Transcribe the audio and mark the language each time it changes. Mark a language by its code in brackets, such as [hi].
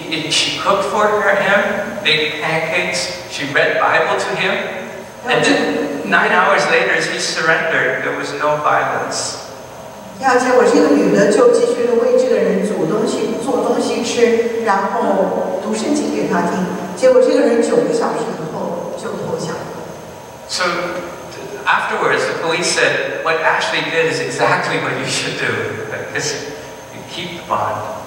[en] she cooked for him, baked pancakes, she read Bible to him, and then 9 hours later, he surrendered. There was no violence. [zh] 结果这个女的就继续地为这个人煮东西、做东西吃，然后读圣经给他听。结果这个人9个小时以后就投降。 [en] So afterwards, the police said, what Ashley did is exactly what you should do, because you keep the bond.